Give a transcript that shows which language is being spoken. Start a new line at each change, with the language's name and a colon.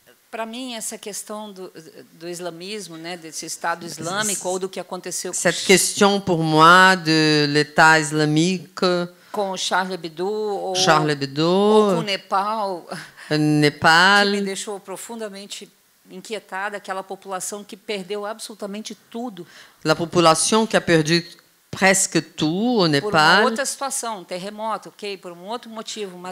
Portuguese: Para mim, essa questão do islamismo, né, desse Estado Islâmico, ou do que aconteceu com...
French: Cette question pour moi de l'État islamique.
Portuguese: Com Charlie Hebdo, ou com o Nepal. Nepal. Que me deixou profundamente inquietada, aquela população que perdeu absolutamente tudo.
French: La population qui a perdu presque tout au Népal.
Portuguese: Por uma outra situação, um terremoto, ok, por um outro motivo, mas...